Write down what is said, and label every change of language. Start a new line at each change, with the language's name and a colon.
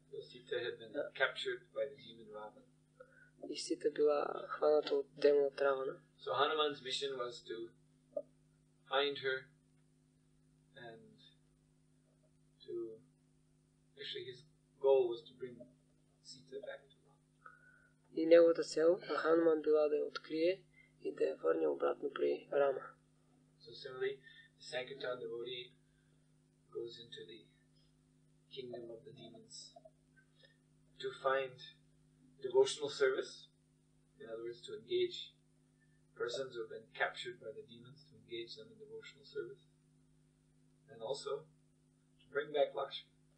English: Сита had been captured by the demon Ravana.
Bulgarian: И Сита била хваната от демона Равана.
English: So Hanuman's mission was to find her and to actually his goal was to bring Sita back.
Bulgarian: И неговата цел на Хануман била да я открие и да я върне обратно при Рама.
English: So similarly, the Sankirtan devotee goes into the kingdom of the demons to find devotional service, in other words, to engage persons who have been captured by the demons, to engage them in devotional service, and also to bring back Lakshmi.